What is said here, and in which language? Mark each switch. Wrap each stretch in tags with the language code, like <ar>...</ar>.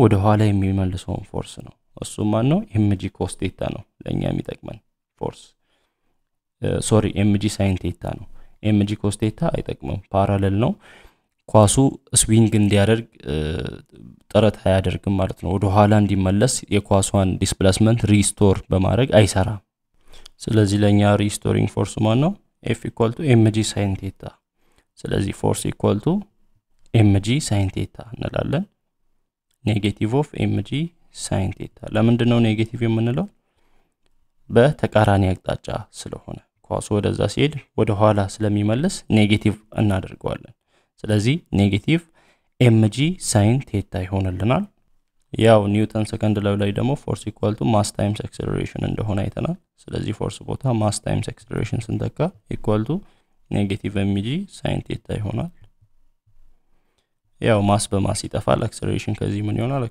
<am>ወደ ኋላ የሚመልሰው ፎርስ ነው። እሱ ማን ነው? ኤምጂ ኮስ ቴታ ነው ለኛ የሚጠቅመን ፎርስ። ሶሪ ኤምጂ ሳይን ቴታ ነው። ኤምጂ ኮስ ቴታ አይጠቅመም፣ ፓራሌል ነው። ኳሱ ስዊንግ እንዲያደርግ ጥረት አያደርግም ማለት ነው። ወደ ኋላ እንዲመለስ የኳሷን ዲስፕላስመንት ሪስቶር በማድረግ አይሰራም። ስለዚህ ለኛ ሪስቶሪንግ ፎርስ ማን ነው?</am> <en>F equal to mg sin theta.</en> <am>ስለዚህ</am> <en>force equal to mg sin theta</en> <am>እንላለን.</am> <en>negative of mg sin theta.</en> <am>ለምንድን ነው negative የምንለው? በተቃራኒ አቅጣጫ ስለሆነ ኳሱ ወደዛ ሲሄድ ወደ ኋላ ስለሚመለስ negative እናደርጋለን። ስለዚህ ኔጌቲቭ mg sin theta ይሆንልናል። ያው ኒውተን ሰከንድ ላው ላይ ደግሞ ፎርስ ኢኳል ቱ ማስ ታይምስ አክሰለሬሽን እንደሆነ አይተናል። ስለዚህ ፎርስ ቦታ ማስ ታይምስ አክሰለሬሽን ስንተካ ኢኳል ቱ ኔጌቲቭ mg sin theta ይሆናል። ያው ማስ በማስ ይጠፋል፣ አክሰለሬሽን ከዚህ ምን ይሆናል?</am>